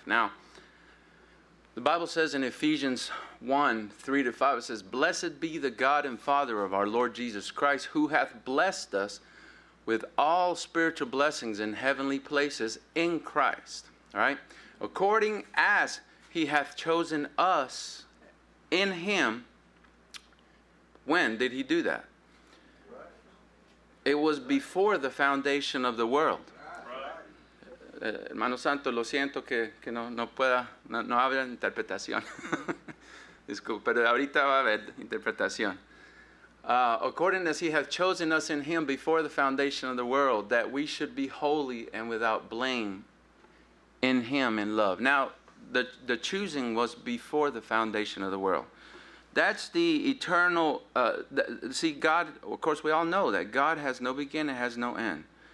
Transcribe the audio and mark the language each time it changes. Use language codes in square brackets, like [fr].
[en] Now, the Bible says in Ephesians 1:3-5, it says, "Blessed be the God and Father of our Lord Jesus Christ, who hath blessed us with all spiritual blessings in heavenly places in Christ." All right? "According as he hath chosen us in him." When did he do that? It was before the foundation of the world. [es] Hermano Santo, lo siento que no pueda, no habla interpretación. Disculpe, pero ahorita va a haber interpretación. [en] "According as he hath chosen us in him before the foundation of the world, that we should be holy and without blame in him in love." Now, the choosing was before the foundation of the world. That's the eternal, see, God, of course, we all know that God has no beginning, has no end.